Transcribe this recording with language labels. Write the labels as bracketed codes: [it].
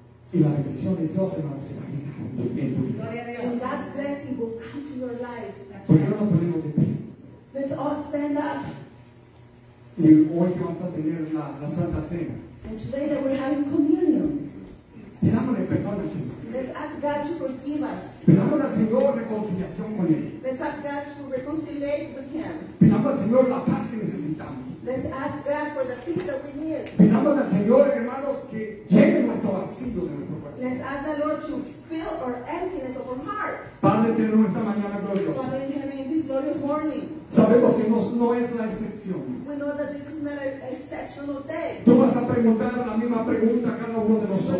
[es] Y la bendición de Dios, hermano, se va a llegar en tu vida. Gloria a Dios. [en] And God's blessing will come to your life. [es] ¿Por qué no nos ponemos de pie? [en] Let's all stand up. [es] Y hoy vamos a tener la Santa Cena. [en] And today that we're having communion. [es] Pidámosle perdón al Señor. [en] Let's ask God to forgive us. [es] Pidámosle al Señor reconciliación con Él. [en] Let's ask God to reconciliate with Him. [es] Pidámosle al Señor la paz que necesitamos. [en] Let's ask God for the peace that we need. [es] Pidámosle al Señor, hermanos, que llene nuestro vacío de nuestro corazón. [en] Let's ask the Lord to fill our emptiness of our heart. [es] Padre, tenemos esta mañana gloriosa. [en] Father, in heaven, this glorious morning. [es] Sabemos que no es la excepción. [en] We know that this is not an exceptional day. [es] Tú vas a preguntar la misma pregunta a cada uno de nosotros.